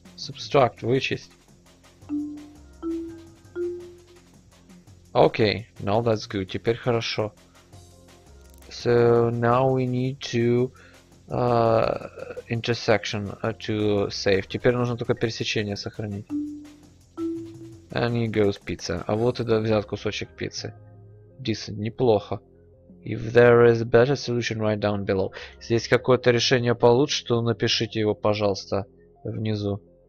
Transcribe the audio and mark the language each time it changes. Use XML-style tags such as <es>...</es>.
<en>Subtract,</en> <ru>вычесть.</ru> <en>Okay, now that's good.</en> <ru>Теперь хорошо.</ru> <en>So now we need to intersection to save.</en> <ru>Теперь нужно только пересечение сохранить.</ru> <en>And here goes pizza.</en> <ru>А вот и взят кусочек пиццы.</ru> <en>Decent,</en> <ru>неплохо.</ru> <en>If there is a better solution, write down below.</en> <ru>Если есть какое-то решение получше, то напишите его, пожалуйста, внизу.</ru>